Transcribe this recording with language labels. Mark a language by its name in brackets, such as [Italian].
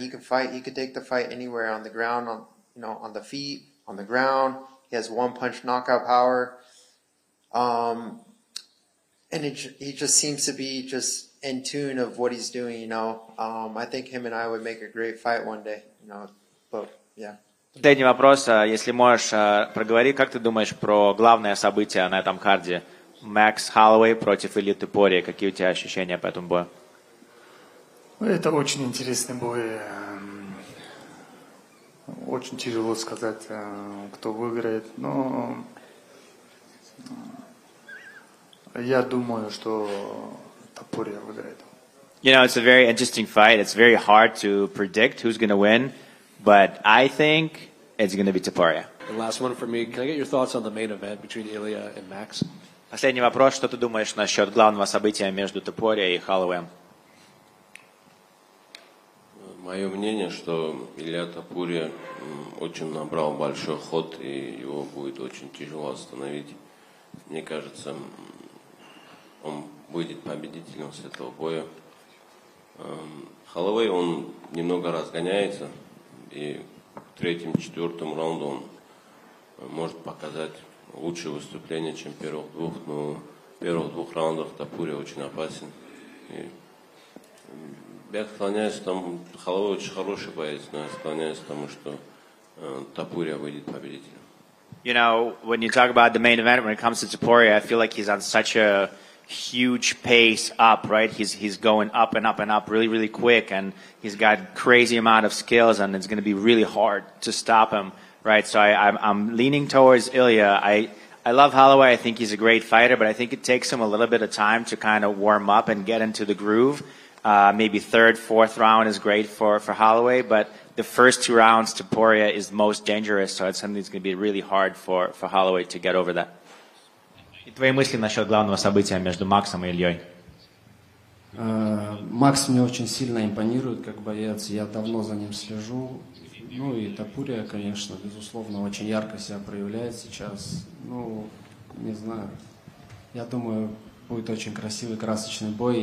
[English] He can fight. He could take the fight anywhere on the ground, on the feet, on the ground. He has one punch knockout power. He just seems to be just in tune of what he's doing, you know. I think him and I would make a great fight one day, you know. But yeah. [Russian] Дэнни, вопрос, если можешь, проговори, как ты думаешь про главное событие на этом карде? Max Holloway против Ilia Topuria. Какие у тебя ощущения по этому бою? Это очень интересный бой. Очень тяжело сказать, кто выиграет. Но я думаю, что Топурия выиграет. [English] You know, it's a very interesting fight. It's very hard to predict who's going to win. But I think it's going to be Topuria. And last one for me. Can I get your thoughts on the main event between Ilia and Max? [Russian] Последний вопрос. Что ты думаешь насчет главного события между Топурия и Холлоуэем? Мое мнение, что Ilia Topuria очень набрал большой ход, и его будет очень тяжело остановить. Мне кажется, он выйдет победителем с этого боя. Холловей, он немного разгоняется, и в третьем-четвертом раунде он может показать лучшее выступление, чем первых двух, но в первых двух раундах Топуря очень опасен. И я склоняюсь к тому, Холловой очень хороший боец, но я склоняюсь к тому, что Топуря выйдет победителем. [English] You know, when you talk about the main event, when it comes to Topuria, I feel like he's on such a huge pace up, right? He's going up and up and up really, really quick, and he's got crazy amount of skills, and it's going to be really hard to stop him, right? So I'm leaning towards Ilia. I love Holloway. I think he's a great fighter, but I think it takes him a little bit of time to kind of warm up and get into the groove. Maybe third, fourth round is great for Holloway, but the first two rounds, Topuria is most dangerous, so it's something that's going to be really hard for Holloway to get over that. [Russian] Твои мысли насчет главного события между Максом и Ильей? Макс мне очень сильно импонирует как боец. Я давно за ним слежу. Ну и Топурия, конечно, безусловно, очень ярко себя проявляет сейчас. Ну, не знаю. Я думаю, будет очень красивый, красочный бой.